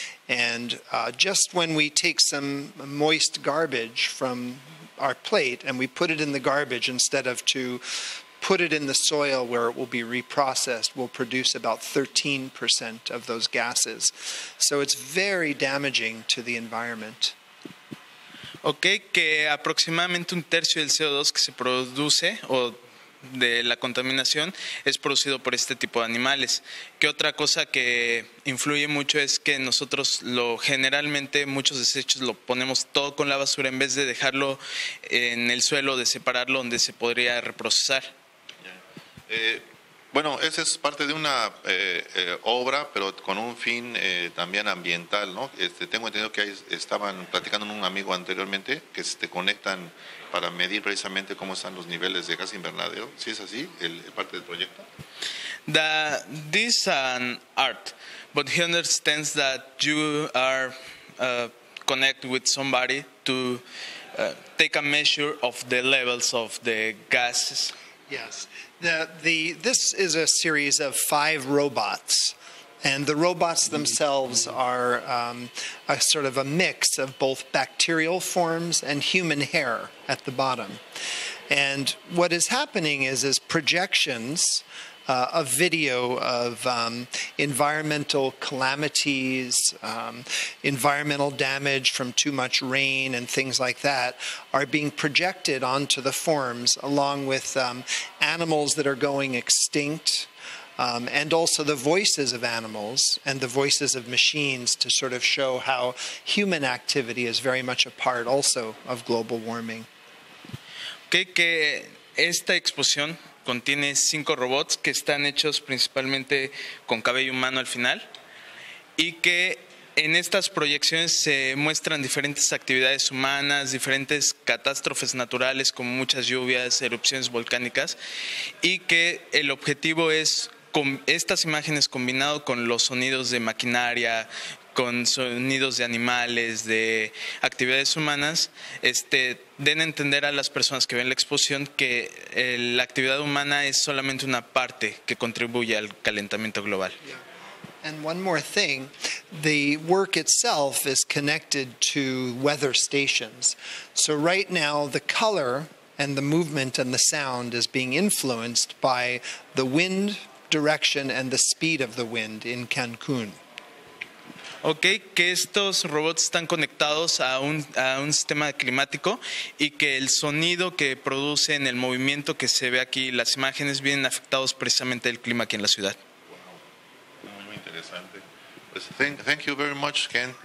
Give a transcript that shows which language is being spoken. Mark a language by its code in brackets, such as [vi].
[en] And just when we take some moist garbage from our plate and we put it in the garbage instead of to put it in the soil where it will be reprocessed, will produce about 13% of those gases. So it's very damaging to the environment. [es] Okay, que aproximadamente un tercio del CO2 que se produce o de la contaminación es producido por este tipo de animales. Que otra cosa que influye mucho es que nosotros lo generalmente muchos desechos lo ponemos todo con la basura en vez de dejarlo en el suelo, de separarlo donde se podría reprocesar. Bueno, esa es parte de una obra, pero con un fin también ambiental, ¿no? Tengo entendido que ahí estaban platicando con un amigo anteriormente que se te conectan para medir precisamente cómo están los niveles de gas invernadero. ¿Sí es así, el parte del proyecto? [en] This is an art, but he understands that you are connect with somebody to take a measure of the levels of the gases. Yes. This is a series of five robots, and the robots themselves are a sort of a mix of both bacterial forms and human hair at the bottom. And what is happening is projections of video of environmental calamities, environmental damage from too much rain and things like that are being projected onto the forms, along with animals that are going extinct, and also the voices of animals and the voices of machines to sort of show how human activity is very much a part also of global warming. [es] Okay, que esta exposición contiene cinco robots que están hechos principalmente con cabello humano al final y que en estas proyecciones se muestran diferentes actividades humanas, diferentes catástrofes naturales como muchas lluvias, erupciones volcánicas y que el objetivo es con estas imágenes combinado con los sonidos de maquinaria, con sonidos de animales, de actividades humanas, den a entender a las personas que ven la exposición que la actividad humana es solamente una parte que contribuye al calentamiento global. [en] And one more thing, the work itself is connected to weather stations. So right now the color and the movement and the sound is being influenced by the wind direction and the speed of the wind in Cancún. [es] Okay, que estos robots están conectados a un sistema climático y que el sonido que producen, el movimiento que se ve aquí, las imágenes vienen afectados precisamente del clima aquí en la ciudad. [en] Wow. [es] Muy interesante. Pues [en] thank you very much, Ken.